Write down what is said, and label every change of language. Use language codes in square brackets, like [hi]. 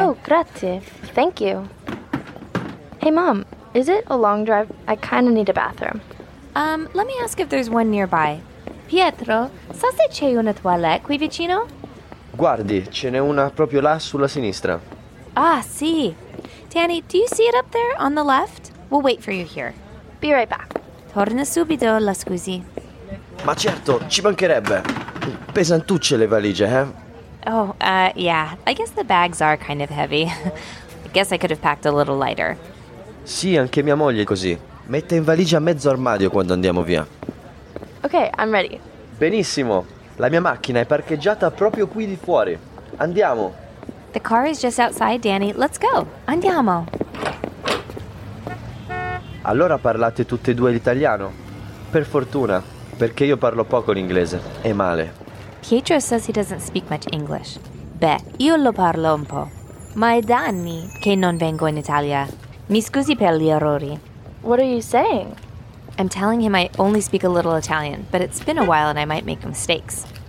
[en] Oh, grazie. Thank you. Hey, Mom, is it a long drive? I kind of need a bathroom. Let me ask if there's one nearby. [it] Pietro, sa se c'è una toilette qui vicino? Guardi, ce n'è una proprio là sulla sinistra. Ah, sì. [en] Danny, do you see it up there on the left? We'll wait for you here. Be right back. [it] Torna subito, la scusi. Ma certo, ci mancherebbe. Pesantucce le valigie, eh? [en] Oh, yeah. I guess the bags are kind of heavy. I guess I could have packed a little lighter. [it] Sì, anche mia moglie è così. Mette in valigia mezzo armadio quando andiamo via. [en] Okay, I'm ready. [it] Benissimo. La mia macchina è parcheggiata proprio qui di fuori. Andiamo. [en] The car is just outside, Danny. Let's go. [it] Andiamo. Allora parlate tutte e due l'italiano? Per fortuna, perché io parlo poco l'inglese, e male. [en] Pietro says he doesn't speak much English. [it] Beh, io lo parlo un po'. Ma è da anni che non vengo in Italia. Mi scusi per gli errori. [en] What are you saying? I'm telling him I only speak a little Italian, but it's been a while and I might make mistakes.